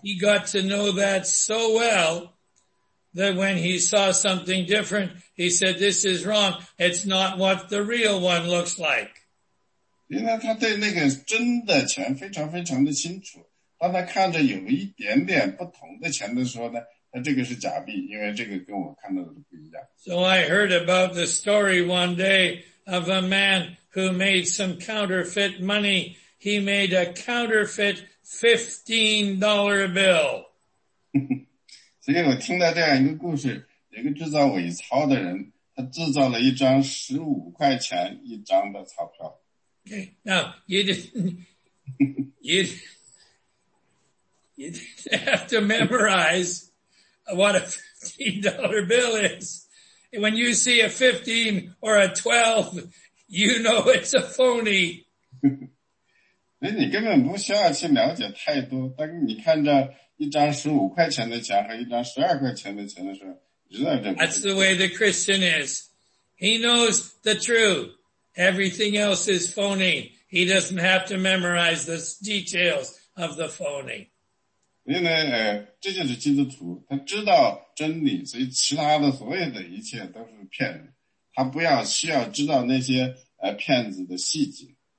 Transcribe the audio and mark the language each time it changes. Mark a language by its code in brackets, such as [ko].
[en] He got to know that so well. That when he saw something different, he said, this is wrong. It's not what the real one looks like. [zh] 因为他对那个真的钱非常非常的清楚。当他看着有一点点不同的钱的时候呢，他这个是假币，因为这个跟我看到的不一样。 [en] So I heard about the story one day of a man who made some counterfeit money. He made a counterfeit $15 bill. [zh] 所以我听到这样一个故事，有个制造伪钞的人，他制造了一张15块钱一张的钞票。 [en] Okay, now, you didn't have to memorize what a $15 bill is. When you see a 15 or a 12, you know it's a phony. [zh] 所以你根本不需要去了解太多，当你看着一张15块钱的钱和一张12块钱的钱的时候，知道这个。 [en] That's the way the Christian is. He knows the truth. Everything else is phony. He doesn't have to memorize the details of the phony. [zh] 因为呢，这就是基督徒，他知道真理，所以其他的所有的一切都是骗子。他不要需要知道那些骗子的细节。